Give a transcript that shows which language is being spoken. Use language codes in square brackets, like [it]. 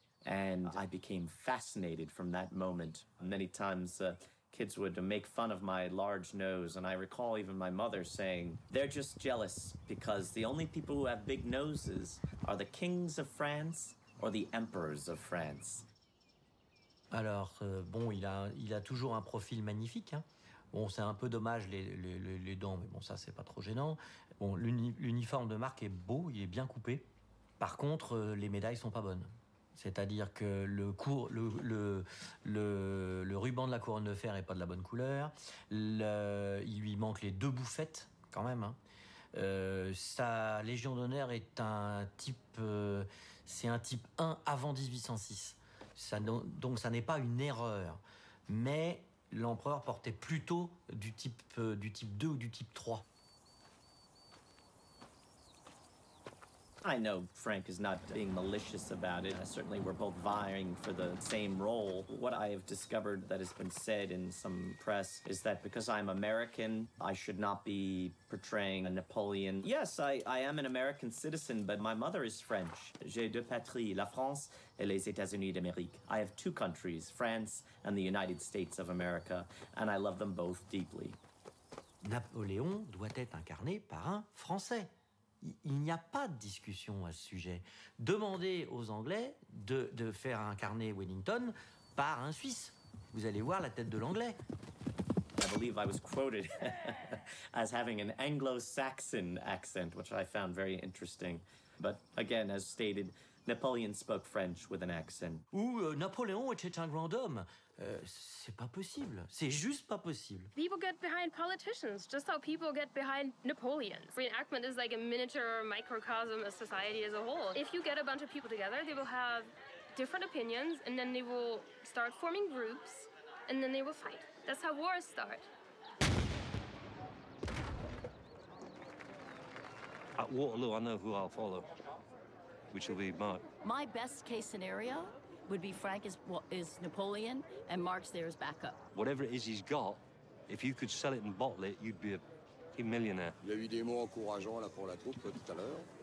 [en] And I became fascinated from that moment. Many times kids would make fun of my large nose, and I recall even my mother saying, they're just jealous because the only people who have big noses are the kings of France or the emperors of France. [fr] Alors, bon, il a toujours un profil magnifique, hein. Bon, c'est un peu dommage les dents, mais bon, ça, c'est pas trop gênant. Bon, l'uniforme de marque est beau, il est bien coupé. Par contre, les médailles sont pas bonnes. C'est-à-dire que le ruban de la couronne de fer n'est pas de la bonne couleur. Il lui manque les deux bouffettes, quand même. Hein. Sa Légion d'honneur est un type... c'est un type 1 avant 1806. Donc ça n'est pas une erreur. Mais l'empereur portait plutôt du type 2 ou du type 3. [en] I know Frank is not being malicious about it. Certainly we're both vying for the same role. What I have discovered that has been said in some press is that because I'm American, I should not be portraying a Napoleon. Yes, I am an American citizen, but my mother is French. [fr] J'ai deux patries, la France et les États-Unis d'Amérique. [en] I have two countries, France and the United States of America, and I love them both deeply. [fr] Napoléon doit être incarné par un Français. Il n'y a pas de discussion à ce sujet. Demandez aux Anglais de faire incarner Wellington par un Suisse. Vous allez voir la tête de l'Anglais. [en] I believe I was quoted as having an Anglo-Saxon accent, which I found very interesting. But again, as stated, Napoleon spoke French with an accent. [fr] Ou Napoléon était un grand homme. C'est pas possible. C'est juste pas possible. [en] People get behind politicians, just how people get behind Napoleon. Reenactment is like a miniature microcosm of society as a whole. If you get a bunch of people together, they will have different opinions, and then they will start forming groups, and then they will fight. That's how wars start. At Waterloo, I know who I'll follow, which will be Mark. My best case scenario would be Frank is Napoleon, and Mark's there as backup. Whatever it is he's got, if you could sell it and bottle it, you'd be a fucking millionaire. [fr] Il y a eu des mots encourageants là pour la troupe tout à l'heure.